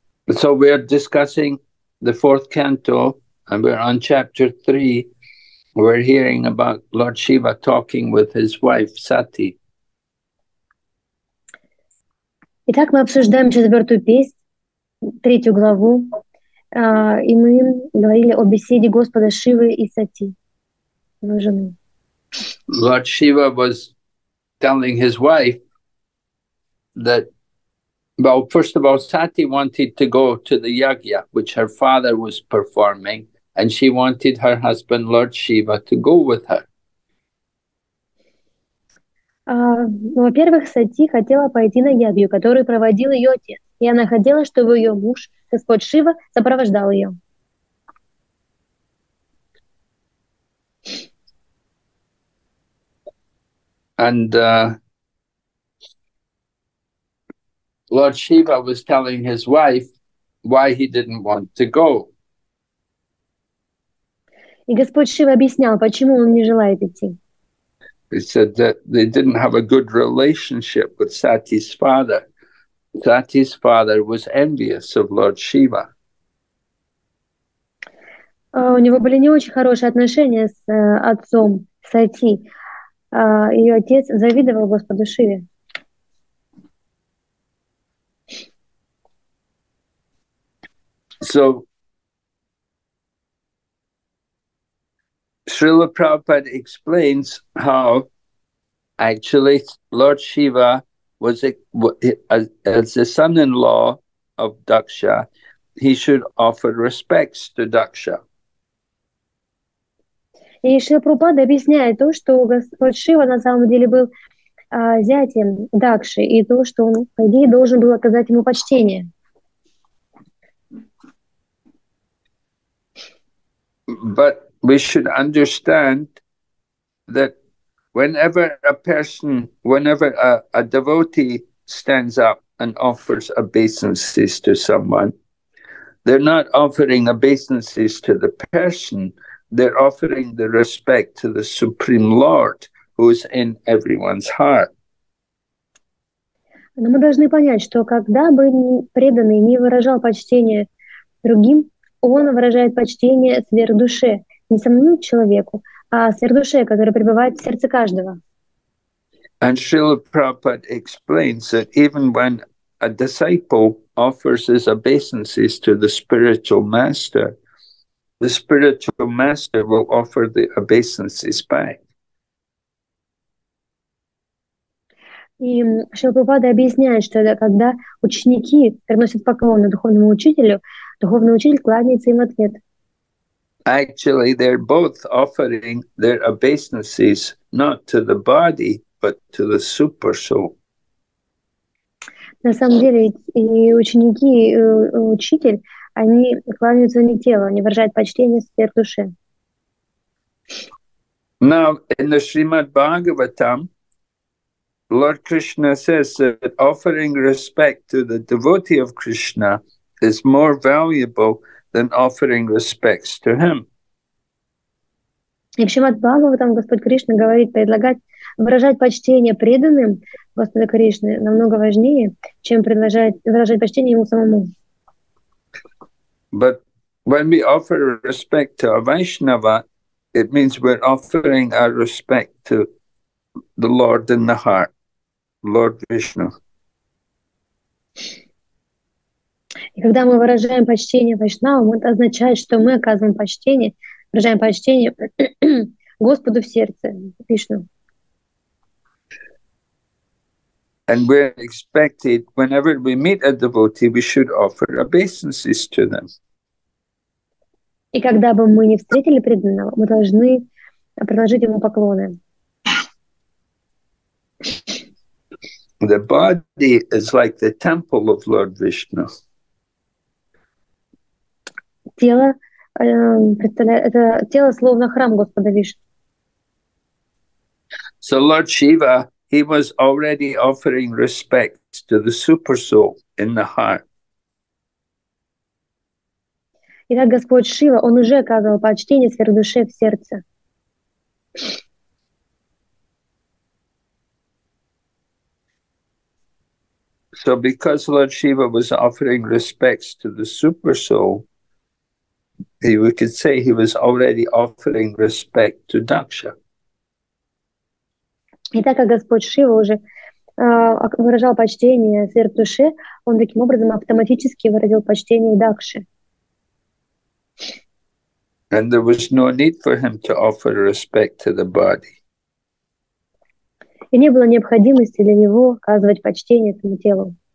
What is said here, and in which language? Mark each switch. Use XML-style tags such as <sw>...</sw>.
<en>So we are discussing the fourth canto, and we're on chapter three. We're hearing about Lord Shiva talking with his wife, Sati.</en> <ru>Итак, мы обсуждаем четвертую песнь, третью главу, и мы говорили о беседе Господа Шивы и Сати, его жены.</ru> <en>Lord Shiva was telling his wife that, well, first of all, Sati wanted to go to the yajna, which her father was performing, and she wanted her husband, Lord Shiva, to go with her.</en> <ru>Во-первых, Сати хотела пойти на ягью, которую проводил ее отец, и она хотела, чтобы ее муж, Господь Шива, сопровождал ее.</ru> <en>And Lord Shiva was telling his wife why he didn't want to go.</en> <ru>И Господь Шива объяснял, почему он не желает идти.</ru> <en>He said that they didn't have a good relationship with Sati's father. Sati's father was envious of Lord Shiva.</en> <ru>У него были не очень хорошие отношения с отцом Сати. Ее отец завидовал Господу Шиве.</ru> <en>So, Srila Prabhupada explains how actually Lord Shiva was as the son-in-law of Daksha, he should offer respects to Daksha.</en> <ru>И Шрила Прабхупада объясняет то, что Господь Шива на самом деле был зятем Дакши, и то, что он, по идее, должен был оказать ему почтение.</ru> <en>But we should understand that whenever a person, whenever a devotee stands up and offers obeisances to someone, they're not offering obeisances to the person, they're offering the respect to the Supreme Lord who's in everyone's heart.</en> <ru>Но мы должны понять, что когда бы преданный не выражал почтение другим, он выражает почтение сверхдуше, не самому человеку, а сверхдуше, которая пребывает в сердце каждого.</ru> <en>And Srila Prabhupada explains that even when a disciple offers his obeisances to the spiritual master will offer the obeisances back.</en> <ru>И Шрила Прабхупада объясняет, что это когда ученики приносят поклоны духовному учителю, духовный учитель кланяется им в ответ.</ru> <en>Actually, they're both offering their obeisances not to the body, but to the super soul.</en> <ru>На самом деле, и ученики, и учитель, они кланяются не телу, они выражают почтение сверхдуше.</ru> <en>Now, in the Srimad Bhagavatam, Lord Krishna says that offering respect to the devotee of Krishna is more valuable than offering respects to him.</en> <ru>И в Шримад Бхагаватам Господь Кришна говорит, предлагать, выражать почтение преданным Господа Кришны намного важнее, чем выражать почтение Ему самому.</ru> <en>But when we offer respect to a Vaishnava, it means we're offering our respect to the Lord in the heart. Lord Vishnu.</en> <ru>И когда мы выражаем почтение Вайшнавам, это означает, что мы оказываем почтение, выражаем почтение Господу в сердце, Вишну.</ru> <en>And we're expected, whenever we meet a devotee, we should offer obeisances to them.</en> <ru>И когда бы мы не встретили преданного, мы должны предложить ему поклоны.</ru> <en>The body is like the temple of Lord Vishnu.</en> <ru>Тело, представляет, это тело словно храм Господа Вишну.</ru> <en>So Lord Shiva, he was already offering respect to the super soul in the heart.</en> <ru>Итак, Господь Шива, он уже оказывал почтение сверхдуше в сердце.</ru> <en>So because Lord Shiva was offering respects to the super soul, we could say he was already offering respect to Daksha.</en> <ru>И так как Господь Шива уже выражал почтение сверхдуше, он таким образом автоматически выразил почтение Дакши.</ru> <en>And there was no need for him to offer respect to the body.</en> <ru>И не было необходимости для него оказывать почтение своему телу.</ru>